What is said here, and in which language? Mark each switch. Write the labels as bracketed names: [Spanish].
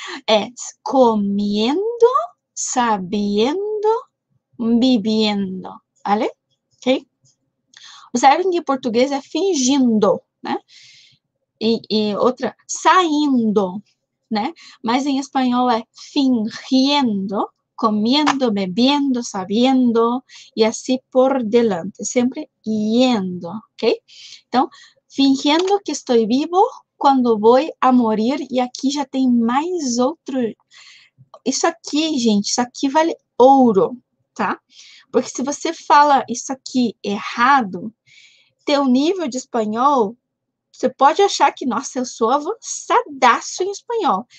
[Spanish] É comiendo, sabiendo, bebiendo, vale? Ok? [Portuguese] O verbo em português é fingindo, né? E outra, saindo, né? Mas em espanhol é fingiendo. [Spanish] Comiendo, bebiendo, sabiendo e así por delante, sempre yendo, ok? [Portuguese] Então, [Spanish] fingiendo que estoy vivo cuando voy a morir, [Portuguese] e aqui já tem mais outro. Isso aqui, gente, isso aqui vale ouro, tá? Porque se você fala isso aqui errado, teu nível de espanhol, você pode achar que, nossa, eu sou avançadaço em espanhol.